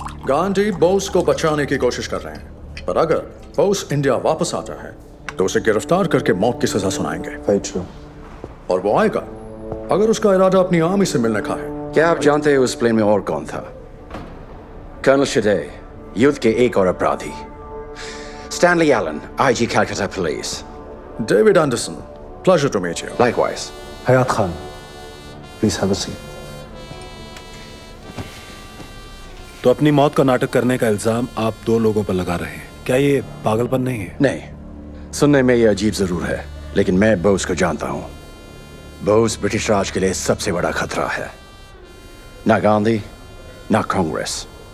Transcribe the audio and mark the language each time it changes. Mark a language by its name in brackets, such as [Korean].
[Hindi] गांधी बोस को बचाने की कोशिश कर रहे हैं, पर अगर बोस इंडिया वापस आता है तो उसे गिरफ्तार करके मौत की सजा सुनाएंगे। और वो आएगा अगर उसका इरादा अपनी आर्मी से मिलने का है। क्या आप जानते हैं उस प्लेन में और कौन था? कर्नल शिडे, युद्ध के एक और अपराधी। Stanley Elon, IG Calcutta police. [English] David Anderson, pleasure to meet you. Likewise. Hayat Khan, please have a seat. [Hindi] तो अपनी मौत का नाटक करने का इल्जाम आप दो लोगों पर लगा रहे हैं, क्या ये पागलपन नहीं है? नहीं, सुनने में ये अजीब जरूर है, लेकिन मैं बोस को जानता हूं। बोस ब्रिटिश राज के लिए सबसे बड़ा खतरा है, ना गांधी ना कांग्रेस।